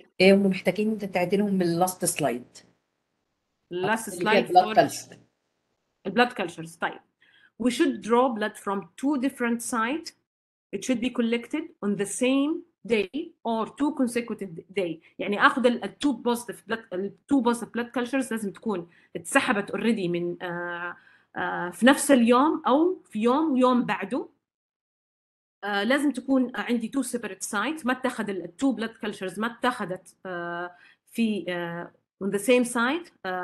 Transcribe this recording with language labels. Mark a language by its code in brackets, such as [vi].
[ar] إيه ومحتاجين تعدلهم من [en] last slide. Last slide. [ar] البلد كالتشرز. طيب [en] we should draw blood from two different sites. It should be collected on the same day or two consecutive day. [ar] يعني أخذ ال [en] two positive blood, [ar] ال [en] two positive blood cultures [ar] لازم تكون اتسحبت [en] already [ar] من في نفس اليوم أو في يوم يوم بعده. لازم تكون عندي [en] two separate sites. [ar] ما اتخذ ال [en] two blood cultures [ar] ما اتخذت في [en] on the same site.